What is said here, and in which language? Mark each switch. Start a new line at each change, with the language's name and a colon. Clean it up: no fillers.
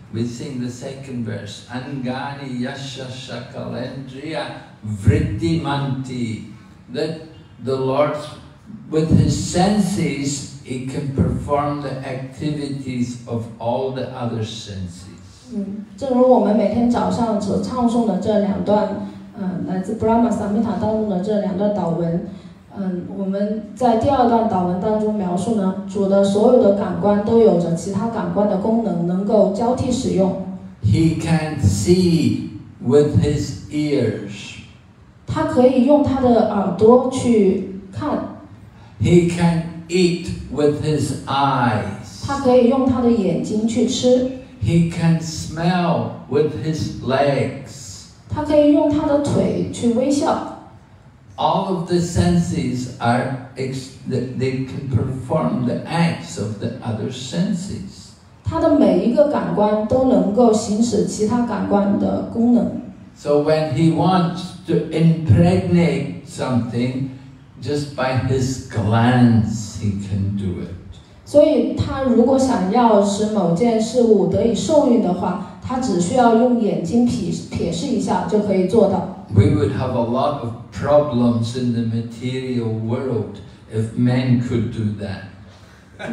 English: We sing the second verse.
Sanskrit: Anganiya shakala endriya vritti manti.
English: That the Lord'swith his senses, he can perform the activities of all the other senses.
Chinese: 正如我们每天早上所唱诵的这两段，来自 Brahma Samhita 当中的这两段祷文，我们在第二段祷文当中描述呢，主的所有的感官都有着其他感官的功能，能够交替使用。
English: He can see with his ears.
Chinese: 他可以用他的耳朵去看。
English: He can eat with his eyes.
Chinese: 他可以用他的眼睛去吃。
English: He can smell with his legs.
Chinese: 他可以用他的腿去微笑。
English: All of the senses are, they can perform the acts of the other senses.
Chinese: 他的每一个感官都能够行使其他感官的功能。
English: So when he wants to impregnate something,just by his glance, he can do it.
Chinese: 所以他如果想要使某件事物得以受孕的话，他只需要用眼睛瞥视一下就可以做到。
English: We would have a lot of problems in the material world if men could do that.